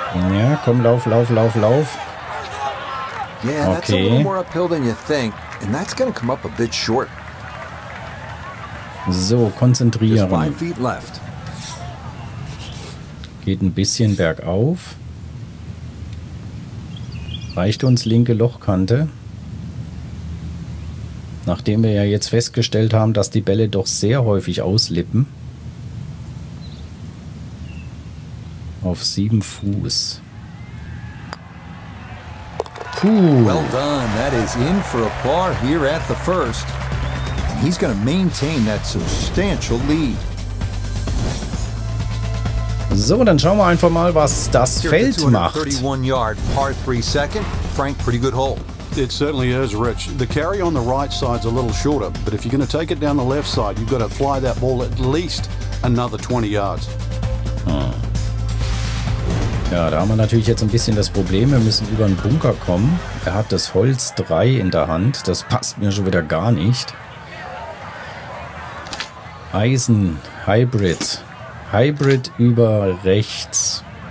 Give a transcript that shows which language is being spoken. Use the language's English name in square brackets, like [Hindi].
[German] Ja, komm, lauf, lauf, lauf, lauf. [English] Yeah, that's okay. A little more uphill than you think, and that's gonna come up a bit short. [German] So, konzentrieren. [English] Just 5 feet left. [German] Geht ein bisschen bergauf. Reicht uns linke Lochkante. Nachdem wir ja jetzt festgestellt haben, dass die Bälle doch sehr häufig auslippen. Auf 7 Fuß. [English] Puh. Well done. That is in for a par here at the first. And he's going to maintain that substantial lead. [German] So, dann schauen wir einfach mal, was das Feld macht. [English] 31 yard, par 3 second. Frank, pretty good hole. It certainly is, Rich. The carry on the right side is a little shorter, but if you're going to take it down the left side, you've got to fly that ball at least another 20 yards. [German] Ja, da haben wir natürlich jetzt ein bisschen das Problem. Wir müssen über einen Bunker kommen. Er hat das Holz 3 in der Hand. Das passt mir schon wieder gar nicht. Eisen, Hybrid. Hybrid über rechts.